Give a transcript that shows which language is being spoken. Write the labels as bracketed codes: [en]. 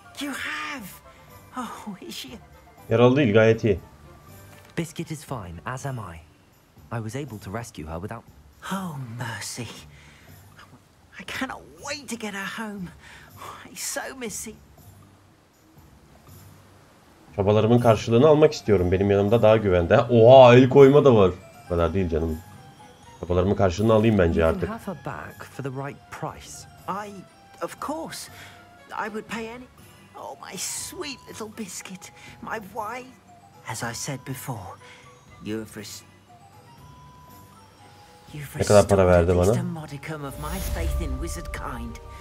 [en] You have. Oh, is she? [tr] Yaralı değil, gayet iyi. [en] Biscuit is fine, as am I. I was able to rescue her without. Oh mercy! I cannot wait to get her home. I so miss her. [tr] Çabalarımın karşılığını almak istiyorum. Benim yanımda daha güvende. Oha, el koyma da var. O kadar değil canım. Çabalarımın karşılığını alayım bence artık. [en] You can have her back for the right price. I. Of course, I would pay any. Oh, my sweet little biscuit, my wife. As I said before, you have restored a modicum of my faith in wizard kind.